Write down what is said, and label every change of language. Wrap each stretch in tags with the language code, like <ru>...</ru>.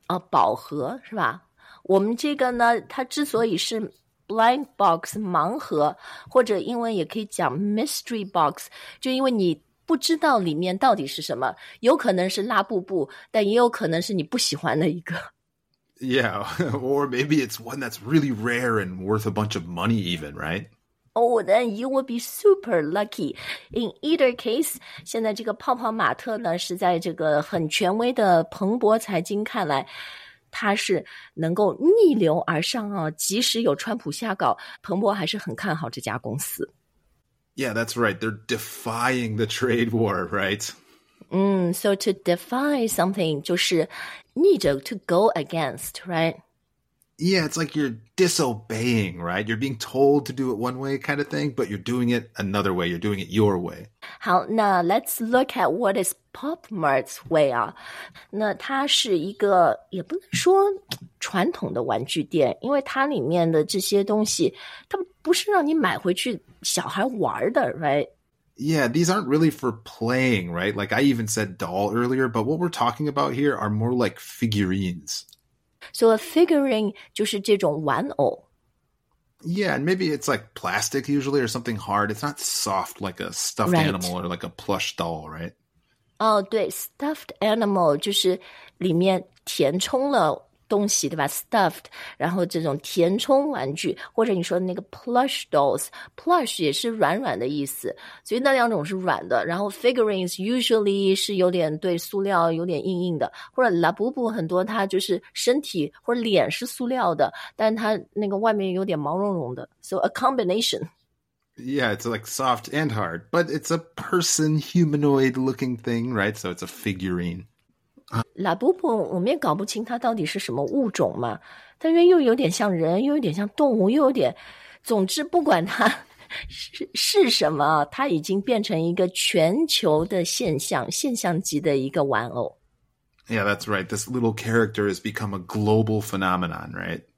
<zh>宝盒是吧？我们这个呢，它之所以是 blind box 盲盒，或者英文也可以讲 mystery box，就因为你不知道里面到底是什么，有可能是拉布布，但也有可能是你不喜欢的一个。</zh> <en>Yeah, or maybe it's one that's really rare and worth a bunch of money even, right? Oh, then you will be super lucky. In either case,</en> <zh>现在这个泡泡玛特呢，是在这个很权威的彭博财经看来，它是能够逆流而上啊，即使有川普下岗，彭博还是很看好这家公司。</zh> <en>Yeah, that's right. They're defying the trade war, right? So to defy something</en> <zh>就是逆着</zh> <en>to go against, right? Yeah, it's like you're disobeying, right? You're being told to do it one way kind of thing, but you're doing it another way. You're doing it your way. 好，那 let's look at what is Pop Mart's way 啊。</en> <zh>那它是一个也不能说传统的玩具店，因为它里面的这些东西，它不是让你买回去小孩玩的，right？</zh> <en>Yeah, these aren't really for playing, right? Like I even said doll earlier, but what we're talking about here are more like figurines. So a figurine</en> <zh>就是这种玩偶。</zh> <en>Yeah, and maybe it's like plastic usually or something hard. It's not soft like a stuffed animal Right. or like a plush doll, right?</en> <zh>对，stuffed animal 就是里面填充了东西，对吧？stuffed，然后这种填充玩具，或者你说的那个 plush dolls，plush 也是软软的意思，所以那两种是软的。然后 figurines usually 是有点对塑料有点硬硬的，或者 labubu 很多它就是身体或者脸是塑料的，但它那个外面有点毛茸茸的，</zh> <en>so a combination。 Yeah, it's like soft and hard, but it's a person humanoid looking thing, right? So it's a figurine.</en> <zh>拉布布，我们也搞不清它到底是什么物种嘛？它因为又有点像人，又有点像动物，又有点……总之，不管它是什么，它已经变成一个全球的现象，现象级的一个玩偶。</zh> <en>Yeah, that's right. This little character has become a global phenomenon, right?</en>